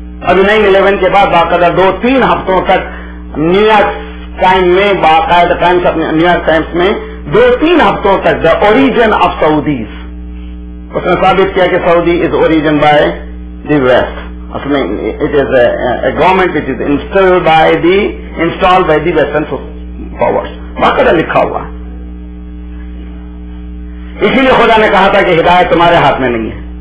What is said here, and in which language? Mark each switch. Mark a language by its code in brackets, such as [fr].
[ur] ابھی 9/11 کے بعد باقاعدہ 2-3 ہفتوں تک نیو یارک ٹائم میں, باقاعدہ ٹائمس اپنے نیو یارک ٹائمس میں 2-3 ہفتوں تک [en] the origin of Saudis, [ur] اس نے ثابت کیا کہ [en] Saudi is origin by the West. [ur] اس میں [en] It is a government which is install by the western powers. [ur] باقاعدہ لکھا ہوا. اسی لیے خدا نے کہا تھا کہ ہدایت تمہارے ہاتھ میں نہیں ہے.